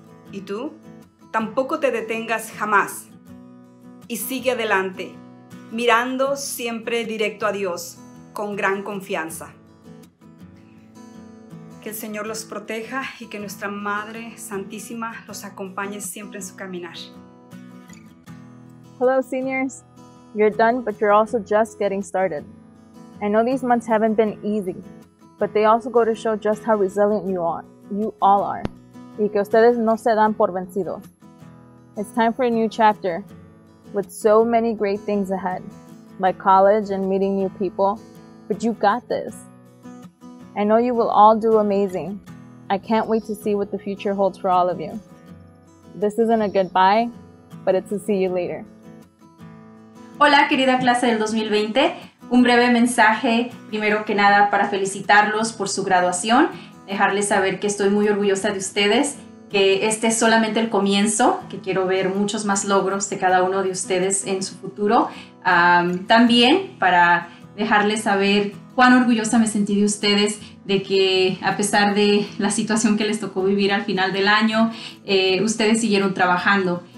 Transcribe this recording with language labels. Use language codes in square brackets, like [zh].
[es] Y tú, tampoco te detengas jamás. Y sigue adelante, mirando siempre directo a Dios, con gran confianza. Que el Señor los proteja y que nuestra Madre Santísima los acompañe siempre en su caminar. [en] Hello, seniors. You're done, but you're also just getting started. I know these months haven't been easy, but they also go to show just how resilient you are. You all are. [es] Y que ustedes no se dan por vencidos. [en] It's time for a new chapter, with so many great things ahead, like college and meeting new people, but you got this. I know you will all do amazing. I can't wait to see what the future holds for all of you. This isn't a goodbye, but it's a see you later. [es] Hola, querida clase del 2020. Un breve mensaje, primero que nada, para felicitarlos por su graduación, dejarles saber que estoy muy orgullosa de ustedes, que este es solamente el comienzo, que quiero ver muchos más logros de cada uno de ustedes en su futuro. También para dejarles saber cuán orgullosa me sentí de ustedes, de que a pesar de la situación que les tocó vivir al final del año, ustedes siguieron trabajando.